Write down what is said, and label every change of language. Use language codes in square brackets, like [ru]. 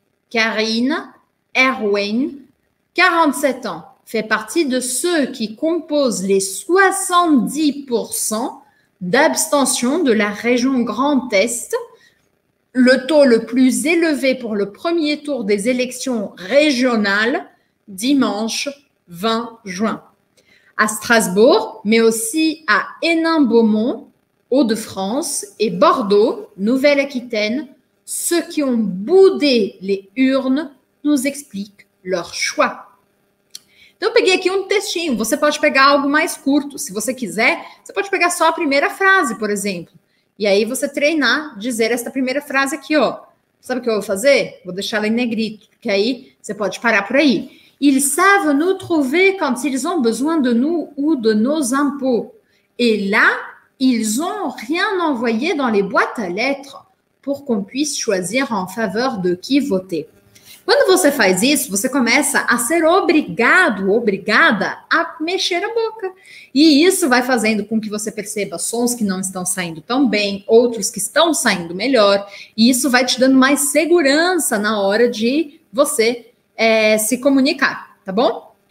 [fr] Karine Erwin, 47 ans, fait partie de ceux qui composent les 70% d'abstention de la région Grand Est, le taux le plus élevé pour le premier tour des élections régionales, dimanche 20 juin. À Strasbourg, mais aussi à Hénin-Beaumont, Hauts-de-France et Bordeaux, Nouvelle-Aquitaine, ceux qui ont boudé les urnes nous expliquent leur choix. [pt] Então, eu peguei aqui um textinho. Você pode pegar algo mais curto. Se você quiser, você pode pegar só a primeira frase, por exemplo. E aí, você treinar, dizer esta primeira frase aqui, ó. Sabe o que eu vou fazer? Vou deixar ela em negrito, porque aí você pode parar por aí. [fr] Ils savent nous trouver quand ils ont besoin de nous ou de nos impôts. Et là, ils ont rien envoyé dans les boîtes à lettres pour qu'on puisse choisir en faveur de qui voter. [pt] Quando você faz isso, você começa a ser obrigado, obrigada a mexer a boca. E isso vai fazendo com que você perceba sons que não estão saindo tão bem, outros que estão saindo melhor. E isso vai te dando mais segurança na hora de você se comunicar, tá bom?